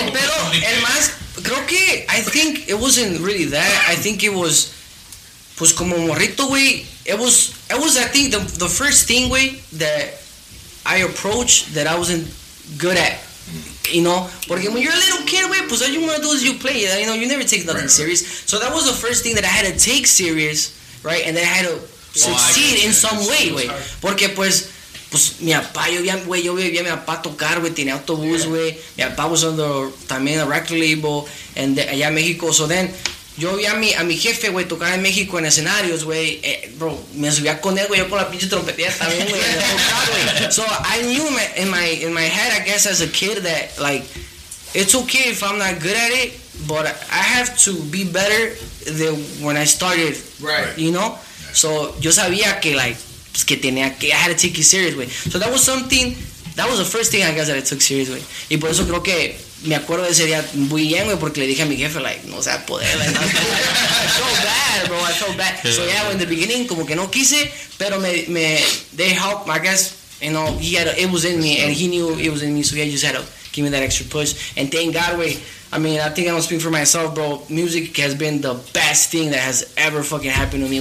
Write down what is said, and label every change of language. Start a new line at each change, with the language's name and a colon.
English: Pero, el más, creo que, I think it wasn't really that, I think it was,
Spanish: pues, como morrito,
English: güey, it was, I think, the first thing, güey, that I approached that I wasn't good at. You know, porque when you're a little kid, wey, pues all you want to do is you play, you know, you never take nothing right. serious. So that was the first thing that I had to take serious, right? And then I had to succeed in some way, wey.
Spanish: Porque pues mi papá, yo veía mi papá tocar, wey, tenía autobús, wey.
English: Mi papá was on the, también a record label, and allá en México.
Spanish: So then, yo veía a mi jefe, wey, tocar en México en escenarios, wey. Bro, me subía con él, wey, yo con la pinche trompetilla también, wey, tocar, wey.
English: So I knew in my head, I guess, as a kid, that, like, it's okay if I'm not good at it, but I have to be better than when I started, right?
Spanish: You know? So yo sabía que, like, pues, que tenía que,
English: I had to take it serious,
Spanish: wey.
English: So that was something, that was the first thing, I guess, that I took serious, wey.
Spanish: Y por eso creo que... Me acuerdo de ese día muy bien, güey, porque le dije a mi jefe, like, no, o sea, poder, like, no,
English: I felt bad, bro. So, yeah, in the beginning,
Spanish: como que no quise, pero me,
English: they helped, I guess, you know, it was in me, and he knew it was in me, so yeah, just had to give me that extra push. And thank God, we, I mean, I think I don't speak for myself, bro. Music has been the best thing that has ever fucking happened to me.